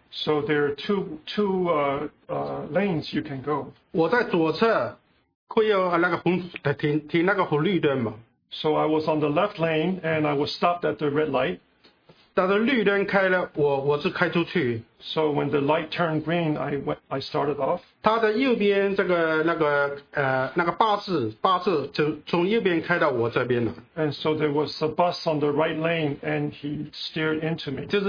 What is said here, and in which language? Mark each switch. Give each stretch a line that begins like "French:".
English: So there are two lanes you can go.
Chinese: 我在左侧，会有那个红，停那个红绿灯嘛。
English: So I was on the left lane and I was stopped at the red light.
Chinese: 但是绿灯开了，我是开出去。
English: So when the light turned green, I started off.
Chinese: 他的右边这个那个巴士就从右边开到我这边了。
English: And so there was a bus on the right lane and he steered into me.